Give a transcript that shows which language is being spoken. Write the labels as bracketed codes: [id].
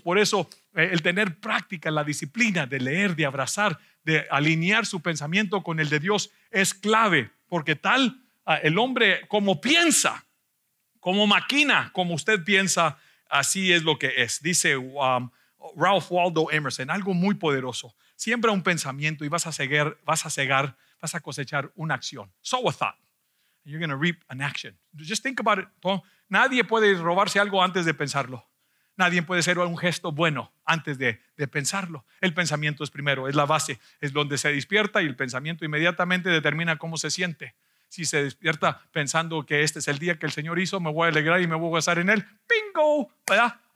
[es] Por eso el tener práctica, la disciplina de leer, de abrazar, de alinear su pensamiento con el de Dios es clave, porque tal el hombre como piensa, como maquina, como usted piensa, así es lo que es. Dice Ralph Waldo Emerson, algo muy poderoso: siembra un pensamiento y vas a cosechar una acción. [en] Sow a thought and you're going to reap an action. Just think about it. [es] Nadie puede robarse algo antes de pensarlo. Nadie puede hacer un gesto bueno antes de pensarlo. El pensamiento es primero, es la base, es donde se despierta, y el pensamiento inmediatamente determina cómo se siente. Si se despierta pensando que este es el día que el Señor hizo, me voy a alegrar y me voy a gozar en él, ¡bingo! ¿Verdad?